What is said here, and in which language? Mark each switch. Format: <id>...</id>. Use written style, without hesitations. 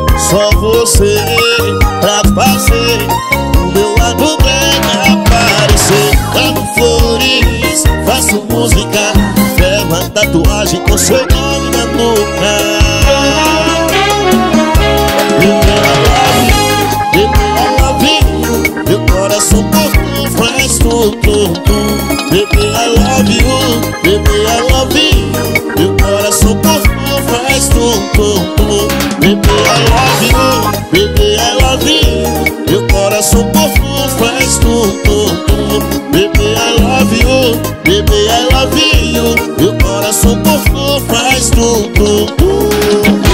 <pt>Só você pra fazer o meu lado bem aparecer. Canto flores, faço música, é uma tatuagem com seu nome na boca.</pt> <en>Bebê, I love you, bebê, I love you.</en> <pt>Meu coração por tu faz tudo.</pt> <en>Bebê, I love you, bebê, I love you.</en> <pt>Meu coração por tu faz tudo.</pt> <en>Bebê, I love you, bebê, I love you.</en> <pt>Meu coração por tu faz tudo.</pt> <en>Bebê, I love you, bebê, I love you.</en> <pt>Meu coração por tu faz tudo.</pt>